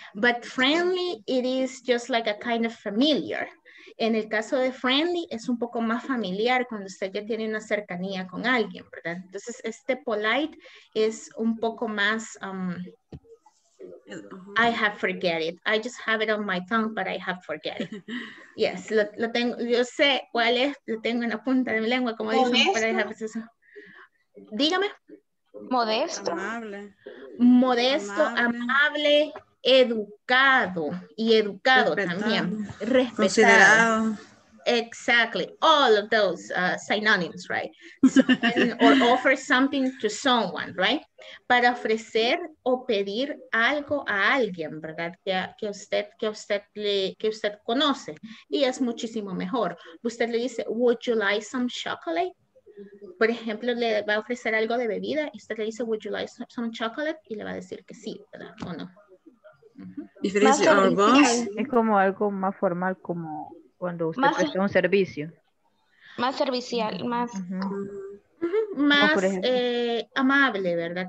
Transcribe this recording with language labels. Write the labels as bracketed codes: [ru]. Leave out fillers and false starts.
[en] But friendly, it is just like a kind of familiar. [es] En el caso de friendly, es un poco más familiar cuando usted ya tiene una cercanía con alguien, ¿verdad? Entonces, este polite es un poco más, [en] I have forget it. I just have it on my tongue, but I have forget it. [es] Yes, lo tengo, yo sé cuál es, lo tengo en la punta de mi lengua, como dicen, [en] pero I have it. [es] Dígame. Modesto. Amable. Modesto, amable, educado y educado respetado. También. Respetado. Considerado. [en] Exactly. All of those synonyms, right? So, or offer something to someone, right? [es] Para ofrecer o pedir algo a alguien, ¿verdad? Que usted conoce. Y es muchísimo mejor. Usted le dice, [en] would you like some chocolate? [es] Por ejemplo, le va a ofrecer algo de bebida y usted le dice, [en] would you like some chocolate? [es] Y le va a decir que sí, ¿verdad? ¿O no? [en] Uh-huh. If it is your boss. [es] Es como algo más formal, como cuando usted más presta un servicio. Más servicial, más... Más amable, ¿verdad?